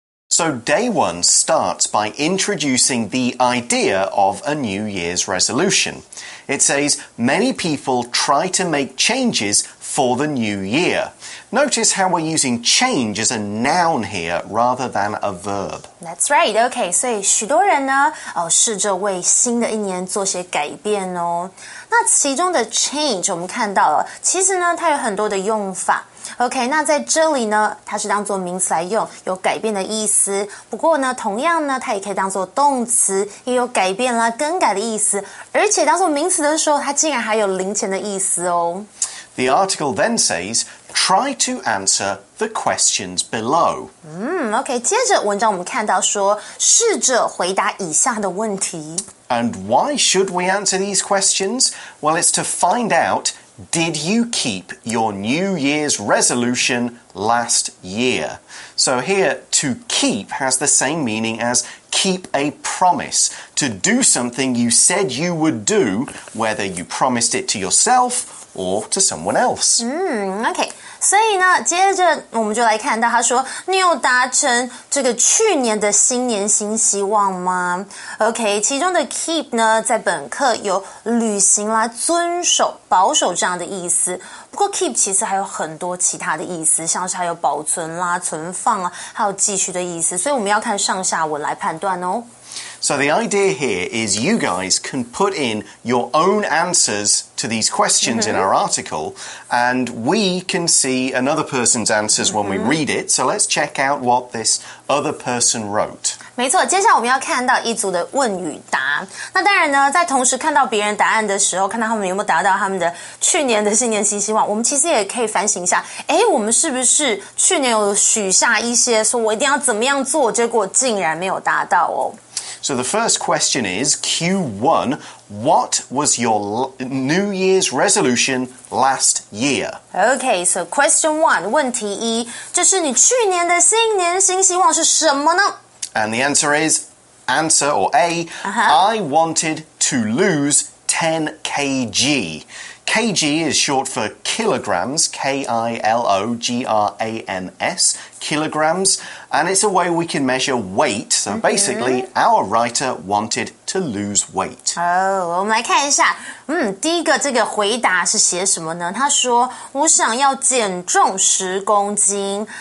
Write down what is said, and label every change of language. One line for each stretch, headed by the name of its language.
English: So day one starts by introducing the idea of a New Year's resolution. It says, many people try to make changes for the new year. Notice how we're using change as a noun here rather than a verb. That's right.
Chinese: Okay, 所以许多人呢、哦、试着为新的一年做些改变哦。那其中的 change 我们看到了，其实呢它有很多的用法。 OK, 那在这里呢它是当作名词来用，有改变的意思。不过呢同样呢它也可以当作动词，也有改变啦更改的意思。而且当作名词的时候它竟然还有零钱的意思哦。
English: The article then says, Try to answer the questions below.
Chinese: OK, 接着文章我们看到说试着回答以下的问题。
English: And why should we answer these questions? Well, it's to find out, did you keep your New Year's resolution last year? So here, to keep has the same meaning as keep a promise, to do something you said you would do, whether you promised it to yourself or to someone else. OK.
Chinese: 所以呢接着我们就来看到他说你有达成这个去年的新年新希望吗 OK 其中的 keep 呢在本课有履行啦遵守保守这样的意思不过 keep 其实还有很多其他的意思像是还有保存啦存放啊还有继续的意思所以我们要看上下文来判断哦
English: So the idea here is you guys can put in your own answers to these questions in our article, and we can see another person's answers when we read it. So let's check out what this other person wrote.
Chinese: 没错，接下来我们要看到一组的问与答。那当然呢，在同时看到别人答案的时候，看到他们有没有达到他们的去年的新年新希望，我们其实也可以反省一下，诶，我们是不是去年有许下一些，说我一定要怎么样做，结果竟然没有达到哦。
English: So the first question is, Q1, what was your New Year's resolution last year? Okay, so question one,
Chinese: 问题一,这是你去年的新年新希望是什么呢?
English: And the answer is, answer or A, I wanted to lose 10 kg. Kg is short for kilograms, K-I-L-O-G-R-A-M-S, kilograms, and it's a way we can measure weight. So basically, our writer wanted to lose weight.
Chinese: Oh, 我们来看一下，第一个这个回答是写什么呢？他说，我想要减重十公斤。